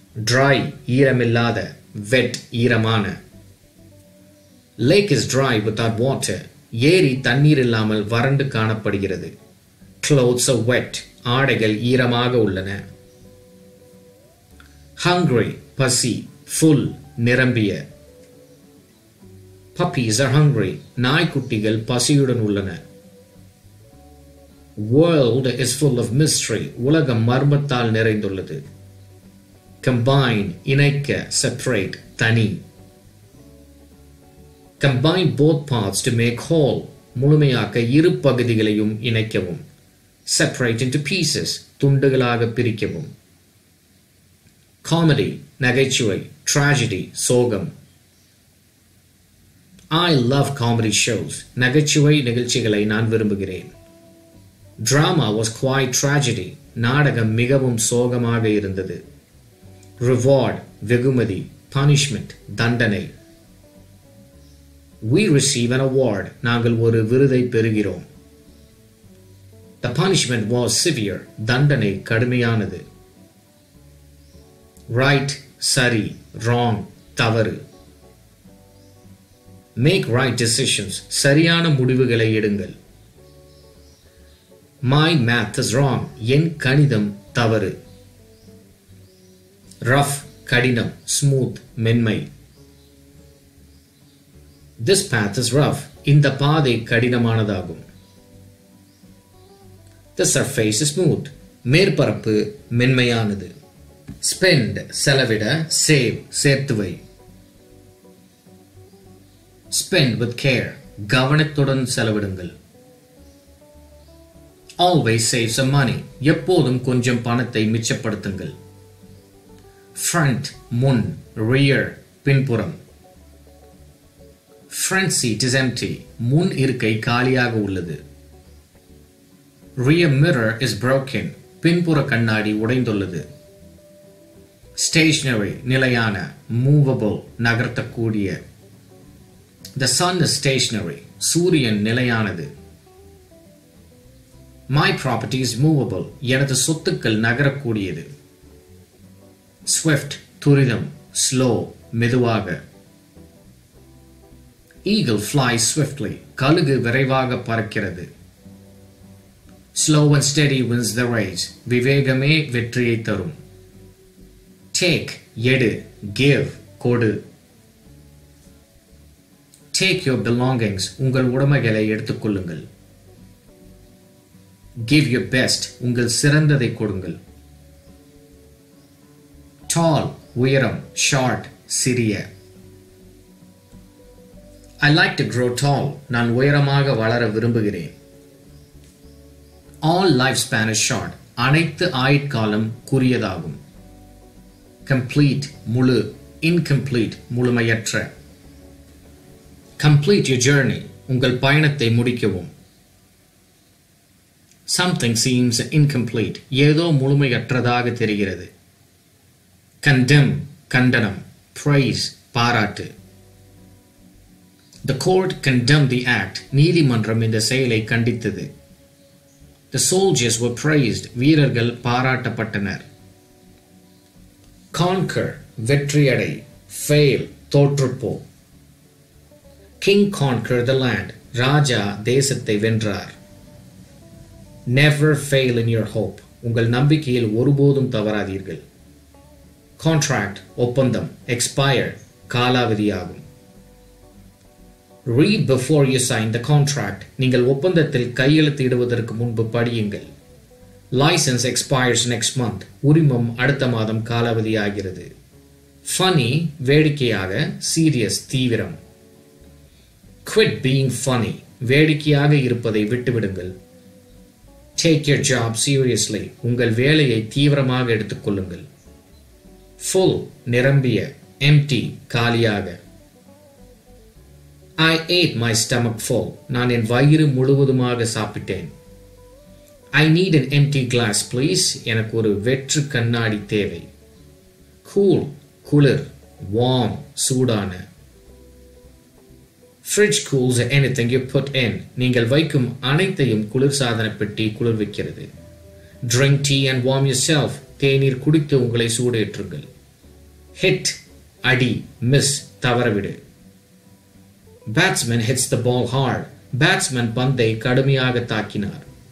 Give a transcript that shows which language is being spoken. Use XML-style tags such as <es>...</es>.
<en>dry, ஈரமில்லாத, wet, ஈரமான. Lake is dry without water,</en> <ta>ஏரி தண்ணீர் இல்லாமல் வறண்டு காணப்படுகிறது.</ta> <en>Clothes are wet,</en> <ta>ஆடைகள் ஈரமாக உள்ளன.</ta> <en>Hungry, பசி, full, நிரம்பிய. Puppies are hungry,</en> <ta>நாய்க்குட்டிகள் பசியுடன் உள்ளன.</ta> <en>World is full of mystery,</en> <ta>உலகம் மர்மத்தால் நிறைந்துள்ளது.</ta> <en>Combine, இணைக்க, separate, தனி. Combine both parts to make whole,</en> <ta>முழுமையாக்க இரு பகுதிகளையும் இணைக்கவும்.</ta> <en>Separate into pieces,</en> <ta>துண்டுகளாக பிரிக்கவும்.</ta> <en>Comedy, நகைச்சுவை, tragedy, சோகம். I love comedy shows,</en> <ta>நகைச்சுவை நிகழ்ச்சிகளை நான் விரும்புகிறேன்.</ta> <en>Drama was quite tragedy,</en> <ta>நாடகம் மிகவும் சோகமாக இருந்தது.</ta> <en>Reward, வெகுமதி, punishment, தண்டனை. We receive an award,</en> <ta>நாங்கள் ஒரு விருதை பெறுகிறோம்.</ta> <en>The punishment was severe,</en> <ta>தண்டனை கடுமையானது.</ta> <en>Right, சரி, wrong, தவறு. Make right decisions,</en> <ta>சரியான முடிவுகளை எடுங்கள்.</ta> <en>My math is wrong,</en> <ta>என் கணிதம் தவறு.</ta> <en>Rough, கடினம், smooth, மென்மை. This path is rough,</en> <ta>இந்த பாதை கடினமானதாகும்.</ta> <en>The surface is smooth,</en> <ta>மேற்பரப்பு மென்மையானது.</ta> <en>Spend, செலவிட, save, சேர்த்துவை. Spend with care,</en> <ta>கவனத்துடன் செலவிடுங்கள்.</ta> <en>Always save some money,</en> <ta>எப்போதும் கொஞ்சம் பணத்தை மிச்சப்படுத்துங்கள்.</ta> <en>Front, முன், rear, பின்புறம். Front seat is empty,</en> <ta>முன் இருக்கை காலியாக உள்ளது.</ta> <en>Rear mirror is broken,</en> <ta>பின்புற கண்ணாடி உடைந்துள்ளது.</ta> <en>Stationary, நிலையான, movable, நகர்த்தக்கூடிய. The sun is stationary,</en> <ta>சூரியன் நிலையானது.</ta> <en>My property is movable,</en> <ta>எனது சொத்துக்கள் நகரக்கூடியது.</ta> <en>Swift, துரிதம், slow, மெதுவாக. Eagle flies swiftly,</en> <ta>கழுகு விரைவாக பறக்கிறது.</ta> <en>Slow and steady wins the race,</en> <ta>விவேகமே வெற்றியை தரும்.</ta> <en>Take, எடு, give, கொடு. Take your belongings,</en> <ta>உங்கள் உடமைகளை எடுத்துக்கொள்ளுங்கள்.</ta> <en>Give your best,</en> <ta>உங்கள் சிறந்ததை கொடுங்கள்.</ta> <en>Tall, உயரம், short, சிறிய. I like to grow tall,</en> <ta>நான் உயரமாக வளர விரும்புகிறேன்.</ta> <en>All lifespan is short,</en> <ta>அனைத்து ஆயுட்காலம் குறியதாகும்.</ta> <en>Complete, முழு, incomplete, முழுமையற்ற. Complete your journey,</en> <ta>உங்கள் பயணத்தை முடிக்கவும்.</ta> <en>Something seems incomplete,</en> <ta>ஏதோ முழுமையற்றதாக தெரிகிறது.</ta> <en>Condemn, கண்டனம், praise, பாராட்டு. The court condemned the act,</en> <ta>நீதிமன்றம் இந்த செயலை கண்டித்தது.</ta> <en>The soldiers were praised,</en> <ta>வீரர்கள் பாராட்டப்பட்டனர்.</ta> <en>Conquer, வெற்றியடை, fail, தோற்றுப்போ. King conquered the land,</en> <ta>ராஜா தேசத்தை வென்றார்.</ta> <en>Never fail in your hope,</en> <ta>உங்கள் நம்பிக்கையில் ஒருபோதும் தவறாதீர்கள்.</ta> <en>Contract, ஒப்பந்தம், expire, காலாவதியாகும். Read before you sign the contract,</en> <ta>நீங்கள் ஒப்பந்தத்தில் கையெழுத்திடுவதற்கு முன்பு படியுங்கள்.</ta> <en>License expires next month,</en> <ta>உரிமம் அடுத்த மாதம் காலாவதியாகிறது.</ta> <en>Funny, வேடிக்கையாக, serious, தீவிரம். Quit being funny,</en> <ta>வேடிக்கையாக இருப்பதை விட்டுவிடுங்கள்.</ta> <en>Take your job seriously,</en> <ta>உங்கள் வேலையை தீவிரமாக எடுத்துக்கொள்ளுங்கள்.</ta> <en>Full, நிரம்பிய, empty, காலியாக. I ate my stomach full,</en> <ta>நான் என் வயிறு முழுவதுமாக சாப்பிட்டேன்.</ta> <en>I need an empty glass, please,</en> <ta>எனக்கு ஒரு வெற்று கண்ணாடி தேவை.</ta> <en>Cool, குளிர், warm, சூடான. Fridge cools anything you put in.</en> <ta>நீங்கள் வைக்கும் அனைத்தையும் குளிர்சாதன பெட்டி குளிர்விக்கிறது.</ta> <en>Drink tea and warm yourself.</en> <ta>தேநீர் குடித்து உங்களை சூடேற்றுங்கள்.</ta> <en>Hit அடி miss தவறவிடு. Batsman hits the ball hard,</en> <ta>பேட்ஸ்மேன் பந்தை கடுமையாக தாக்கினார்.</ta>